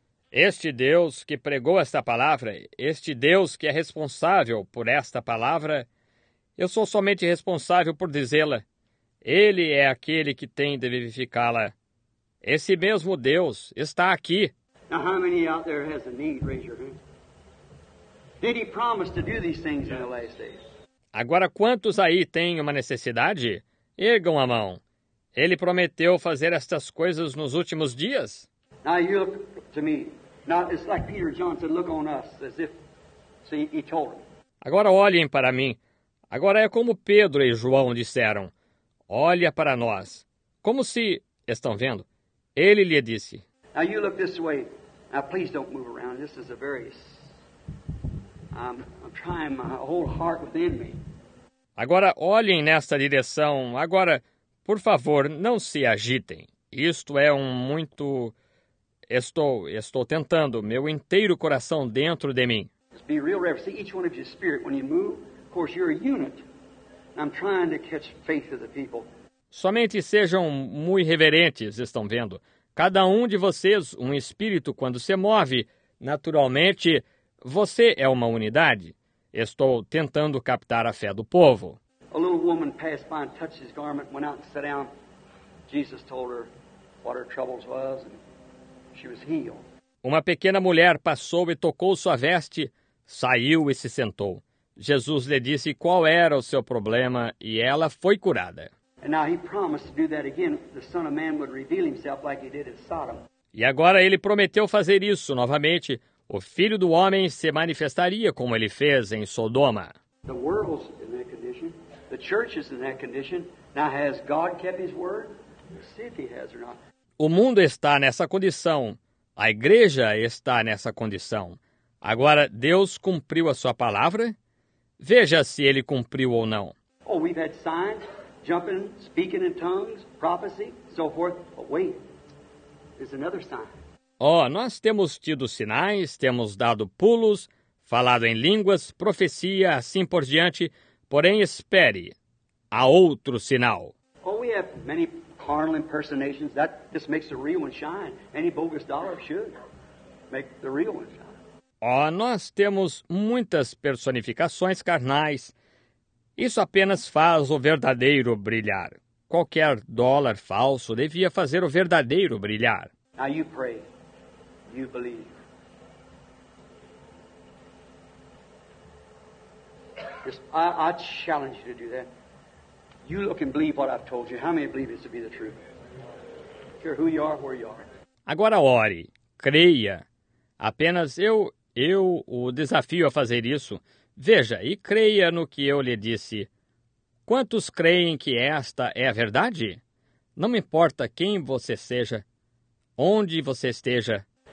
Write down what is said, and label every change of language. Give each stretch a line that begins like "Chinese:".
Portuguese: Este Deus que pregou esta palavra, este Deus que é responsável por esta palavra, eu sou somente responsável por dizê-la. Ele é aquele que tem de vivificá-la. Esse mesmo Deus está aqui.
English: Now, how many out there has a need? Raise your hand. Did he promise to do these things in the last days?
Portuguese: Agora, quantos aí têm uma necessidade? Ergam a mão. Ele prometeu fazer estas coisas nos últimos dias?
English: Now, you look to me. Now, it's like Peter and John said, look on us, as if, see, he told them.
Portuguese: Agora, olhem para mim. Agora, é como Pedro e João disseram. Olha para nós. Como se, estão vendo? Ele lhe disse.
English: Now, you look this way. Now, please don't move around. This is a very... I'm trying my whole heart within me.
Portuguese: Agora, olhem nesta direção. Agora, por favor, não se agitem. Isto é um muito... Estou tentando meu inteiro coração dentro de mim.
English: Be real reverent. See, each one of you spirit, when you move, of course, you're a unit. I'm trying to catch faith of the people.
Portuguese: Somente sejam muito reverentes, estão vendo? Cada um de vocês, um espírito, quando se move, naturalmente, você é uma unidade. Estou tentando captar a fé do povo.
English: A little woman passed by and touched his garment, went out and sat down. Jesus told her what her troubles was. She was healed.
Portuguese: Uma pequena mulher passou e tocou sua veste, saiu e se sentou. Jesus lhe disse qual era o seu problema e ela foi curada.
English: And now he promised to do that again. The Son of Man would reveal himself like he did at Sodom.
Portuguese: E agora ele prometeu fazer isso novamente. O Filho do Homem se manifestaria como ele fez em Sodoma.
English: The world's in that condition. The church is in that condition. Now has God kept his word? Let's see if he has or not.
Portuguese: O mundo está nessa condição. A igreja está nessa condição. Agora, Deus cumpriu a sua palavra? Veja se ele cumpriu ou não.
English: Oh, we've had signs, jumping, speaking in tongues, prophecy, so forth. But wait, there's another sign.
Portuguese: Oh, nós temos tido sinais, temos dado pulos, falado em línguas, profecia, assim por diante. Porém, espere. Há outro sinal.
English: Oh, we have many... carnal impersonations, that just makes the real one shine. Any bogus dollar should make the real one shine.
Portuguese: Oh, nós temos muitas personificações carnais. Isso apenas faz o verdadeiro brilhar. Qualquer dólar falso devia fazer o verdadeiro brilhar.
English: Now you pray, you believe. I challenge you to do that. You look and believe what I've told you. How many believe this to be the truth? Care who you are, where you are.
Portuguese: Agora ore, creia. Apenas eu o desafio a fazer isso. Veja e creia no que eu lhe disse. Quantos creem que esta é a verdade? Não me importa quem você seja, onde você esteja.